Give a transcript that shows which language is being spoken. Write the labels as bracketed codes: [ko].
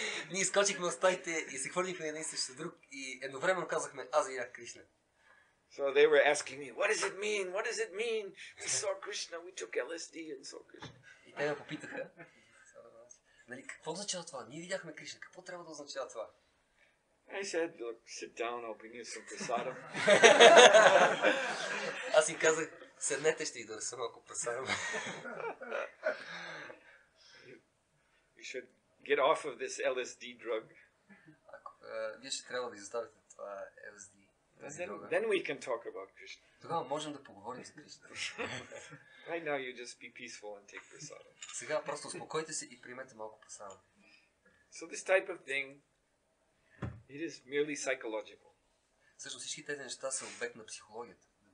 [bg] Ние скочихме от стаите и се хвърлихме един срещу друг и едновременно казахме, аз видях Кришна. [en] So they were asking me, what does it mean? What does it mean? We saw Krishna, we took LSD and saw Krishna. [bg] Те ме попитаха, нали, какво означава това? Ние видяхме Кришна, какво трябва да означава това? [en] I said, look, sit down, I'll bring you some prasadam. [bg] Аз им казах, седнете, ще ви донеса малко прасадам. [en] You should get off of this LSD drug. [bg] Ако вие ще трябва да изоставите това LSD, [en] then we can talk about Krishna. [bg] Тогава можем да поговорим за Кришна. [en] Right now you just be peaceful and take prasadam. [bg] Сега просто успокойте се и приемете малко прасадам. [en] So this type of thing, it is merely psychological. [bg] Също всички тези неща са обект на психологията.